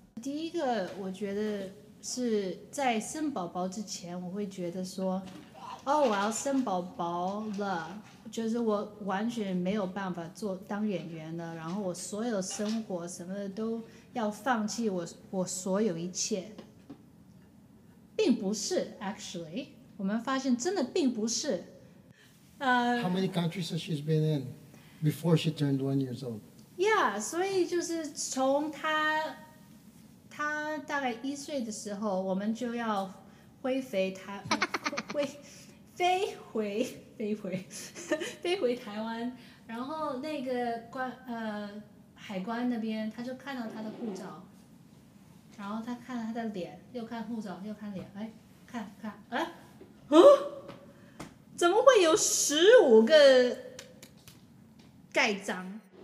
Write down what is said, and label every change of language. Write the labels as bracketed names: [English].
[Chinese] 第一个，我觉得是在生宝宝之前，我会觉得说，哦，我要生宝宝了。就是我完全没有办法做当演员了，然后我所有生活什么的都要放弃，我所有一切，并不是 actually， 我们发现真的并不是。 [English] How many countries has she been in before she turned 1 year old? [Chinese] Yeah， 所以就是从她大概一岁的时候，我们就要飞回她飞回台湾，然后那个海关那边，他就看到他的护照，然后他看了他的脸，又看护照，又看脸，哎，看，哎，怎么会有15个盖章？